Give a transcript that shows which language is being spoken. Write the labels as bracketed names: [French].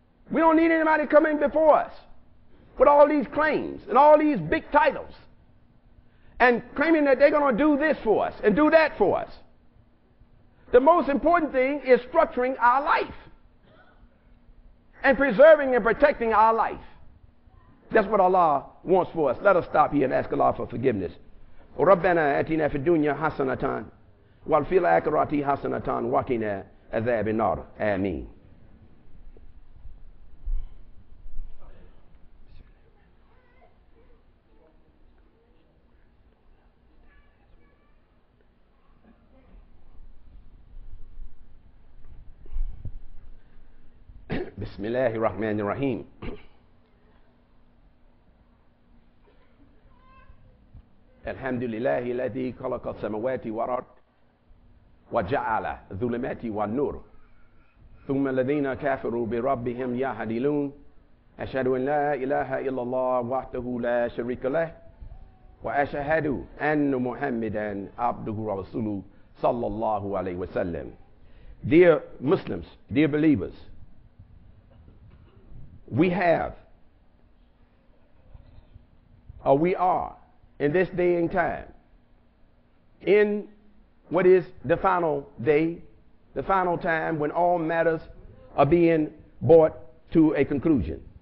[English] We don't need anybody coming before us with all these claims and all these big titles and claiming that they're going to do this for us and do that for us. The most important thing is structuring our life and preserving and protecting our life. That's what Allah wants for us. Let us stop here and ask Allah for forgiveness. [Arabic] ربنا آتنا في الدنيا حسنة وفي الآخرة حسنة وقنا عذاب النار آمين. بسم الله الرحمن الرحيم. الحمد لله الذي خلق السماوات والأرض وجعل الظلمات والنور ثم الذين كفروا بربهم يعدلون أشهد أن لا إله إلا الله وحده لا شريك له وأشهد أن محمدا عبده ورسوله صلى الله عليه وسلم. [English] Dear Muslims, dear believers, we have, or we are, in this day and time, in what is the final day, the final time when all matters are being brought to a conclusion.